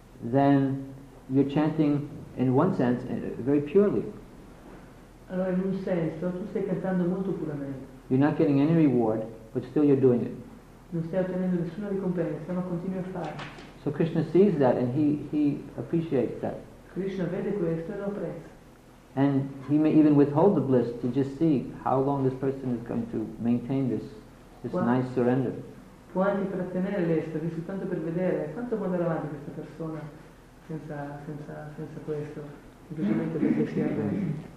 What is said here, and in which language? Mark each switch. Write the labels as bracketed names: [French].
[English] then you're chanting in one sense very purely. [Italian] Allora in un senso tu stai cantando molto puramente. [English] You're not getting any reward, but still you're doing it. [Italian] Non stai ottenendo nessuna ricompensa, ma continui a farlo. [English] So Krishna sees that and he appreciates that. [Italian] Krishna vede questo e lo apprezza. [English] And he may even withhold the bliss to just see how long this person is going to maintain this nice surrender. [Italian] Può anche trattenere l'estasi soltanto per vedere quanto può andare avanti questa persona senza questo, semplicemente perché sia bene.